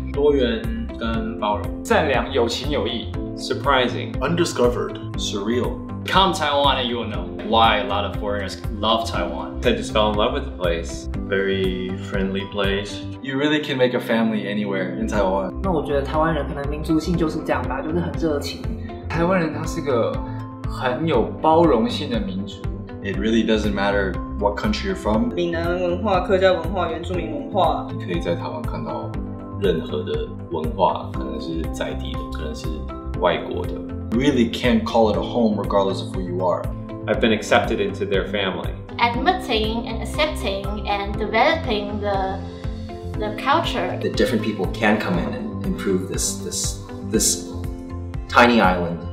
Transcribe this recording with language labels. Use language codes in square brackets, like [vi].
[zh] 多元跟包容善良有情有义 [en] Surprising. Undiscovered. Surreal. Come to Taiwan and you will know why a lot of foreigners love Taiwan. I just fell in love with the place. Very friendly place. You really can make a family anywhere in Taiwan. [zh] 那我觉得台湾人可能民族性就是这样吧，就是很热情。台湾人他是个很有包容性的民族。 [en] It really doesn't matter what country you're from. [zh] 闽南文化、客家文化、原住民文化。你可以在台湾看到任何的文化，可能是在地的，可能是外国的。 [en] You really can't call it a home regardless of who you are. I've been accepted into their family. Admitting and accepting and developing the culture. The different people can come in and improve this tiny island.